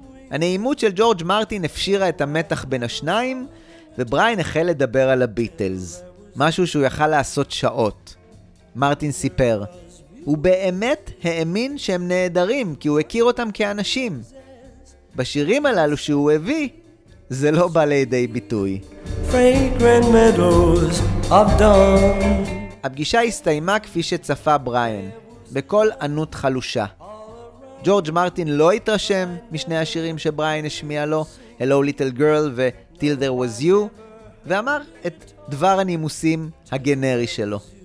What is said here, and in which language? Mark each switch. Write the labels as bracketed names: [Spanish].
[Hebrew] הנעימות של ג'ורג' מרטין הפשירה את המתח בין השניים, ובריין החל לדבר על הביטלס, משהו שהוא יכל לעשות שעות. מרטין סיפר, הוא באמת האמין שהם נהדרים, כי הוא הכיר אותם כאנשים. בשירים הללו שהוא הביא, זה לא בא לידי ביטוי. [English] Fragrant meadows of dawn. [Hebrew] הפגישה הסתיימה כפי שצפה בריין, בכל ענות חלושה. ג'ורג' מרטין לא התרשם משני השירים שבריין השמיע לו, Hello Little Girl ו-Till There Was You, ואמר את דבר הנימוסים הגנרי שלו.